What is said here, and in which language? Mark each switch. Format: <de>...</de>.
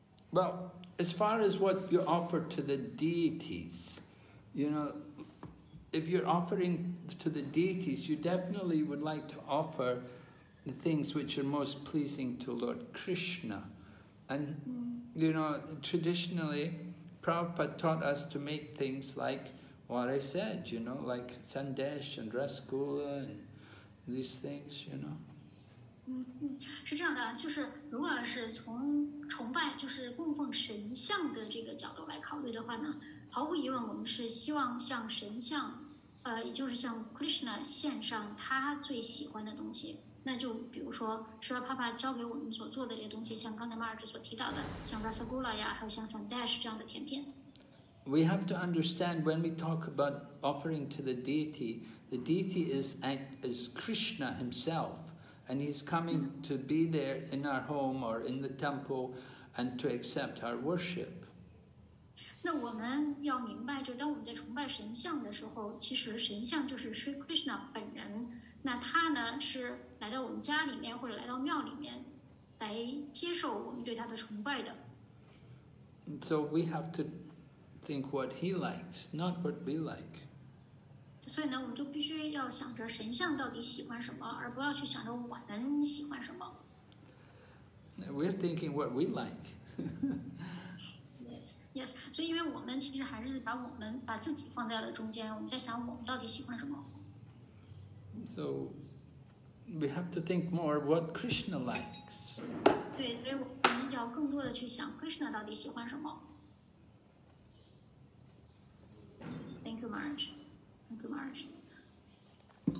<en>Well, as far as what you offer to the deities, you know, if you're offering to the deities, you definitely would like to offer the things which are most pleasing to Lord Krishna. And, you know, traditionally, Prabhupada taught us to make things like what I said, you know, like sandesh and rasgulla and these things, you know.</en> <zh>是这样的，就是如果是从崇拜，就是供奉神像的这个角度来考虑的话呢，毫无疑问，我们是希望向神像，也就是向 Krishna 献上他最喜欢的东西。那就比如说，Śrīla Prabhupāda教给我们所做的这些东西，像刚才Maharaj所提到的，像 Rasagula 呀，还有像 Sandesh 这样的甜品。</zh> <en>We have to understand when we talk about offering to the deity is Krishna himself, and he's coming to be there in our home or in the temple, and to accept our worship.</en> <zh>那我们要明白，就当我们在崇拜神像的时候，其实神像就是 Śrī Krishna 本人。那他呢是来到我们家里面或者来到庙里面来接受我们对他的崇拜的。</zh> <en>So we have to think what he likes, not what we like.</en> <zh>所以呢我们就必须要想着神像到底喜欢什么而不要去想着我们喜欢什么。</zh> <en>We're thinking what we like. Yes, yes.</en> <zh>所以因为我们其实还是把我们把自己放在了中间我们在想我们到底喜欢什么。</zh> <en>So, we have to think more what Krishna likes.</en> <zh>对，所以我们要更多的去想 Krishna 到底喜欢什么。</zh> <en>Thank you, Maharaj. Thank you, Maharaj.</en>